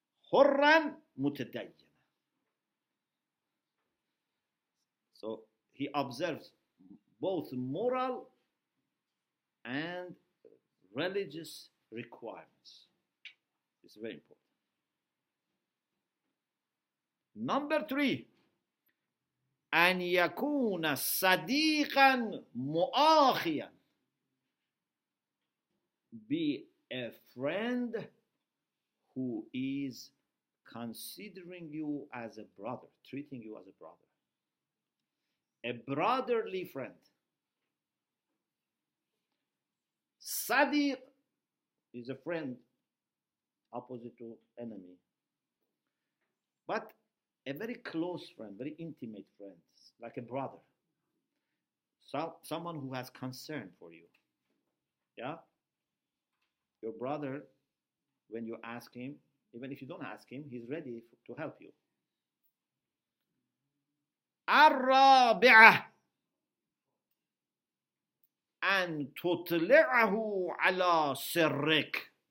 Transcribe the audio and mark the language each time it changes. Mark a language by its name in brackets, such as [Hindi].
[Arabic] Hurran, mutadayyanan. [English] So, he observes both moral and religious requirements. It's very important. Number three, [Arabic] أن يكون صديقا مؤاخيا. [English] Be a friend who is considering you as a brother, treating you as a brother. A brotherly friend. صديق is a friend, opposite to enemy. But a very close friend, very intimate friend, like a brother. Someone who has concern for you. Yeah? Your brother, when you ask him, even if you don't ask him, he's ready to help you. [Arabic] الرابعه أن تطلعه على سرك.